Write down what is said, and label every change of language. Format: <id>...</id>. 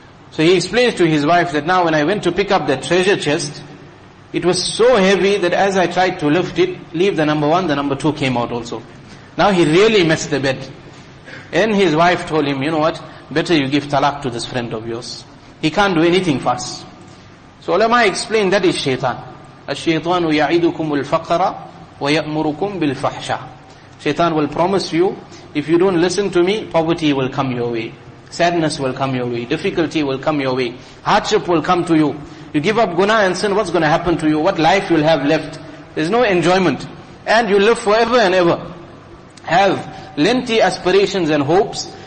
<en>So he explains to his wife that now when I went to pick up that treasure chest, it was so heavy that as I tried to lift it, leave the number one, the number two came out also. Now he really messed the bed. And his wife told him, you know what, better you give talaq to this friend of yours. He can't do anything for us. So ulama explained that is shaitan.</en> <ar>الشيطان يعيدكم الفقر ويأمركم بالفحشاء.</ar> <en>Shaitan will promise you, if you don't listen to me, poverty will come your way. Sadness will come your way. Difficulty will come your way. Hardship will come to you. You give up guna and sin, what's going to happen to you? What life you'll have left? There's no enjoyment. And you live forever and ever. Have lengthy aspirations and hopes.</en>